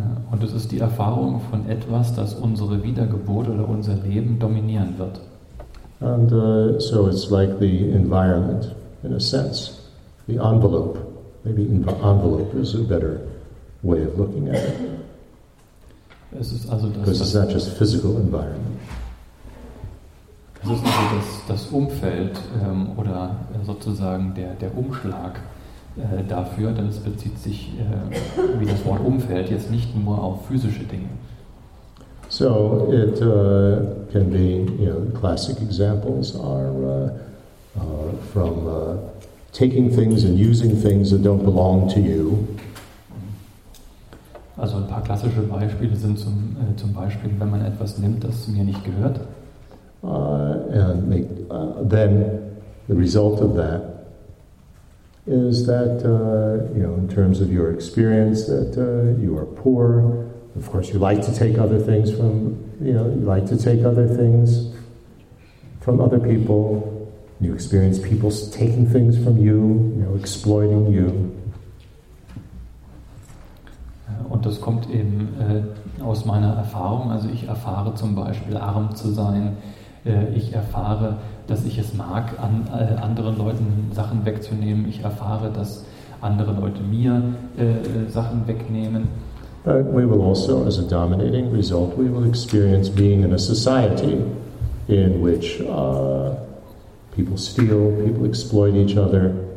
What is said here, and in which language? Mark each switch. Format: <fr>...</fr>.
<de>Und es ist die Erfahrung von etwas, das unsere Wiedergeburt oder unser Leben dominieren wird.</de> <en>And so it's like the environment, in a sense. The envelope. Maybe envelope is a better way of looking at it.</en> <de>Es ist also das,</de> <en>because it's not just physical environment.</en> <de>Es ist also das Umfeld oder sozusagen der Umschlag dafür, denn es bezieht sich, wie das Wort Umfeld, jetzt nicht nur auf physische Dinge.</de> <en>So, it can be, you know, classic examples are from taking things and using things that don't belong to you.</en> <de>Also ein paar klassische Beispiele sind zum Beispiel, wenn man etwas nimmt, das mir nicht gehört.</de> <en>And make, then the result of that is that, you know, in terms of your experience, that you are poor. Of course, you like to take other things from, you know, you like to take other things from other people. You experience people taking things from you, you know, exploiting you.</en> <de>Und das kommt eben aus meiner Erfahrung. Also ich erfahre zum Beispiel, arm zu sein. Ich erfahre, dass ich es mag, an anderen Leuten Sachen wegzunehmen. Ich erfahre, dass andere Leute mir Sachen wegnehmen.</de> <en>But we will also, as a dominating result, we will experience being in a society in which people steal, people exploit each other,</en>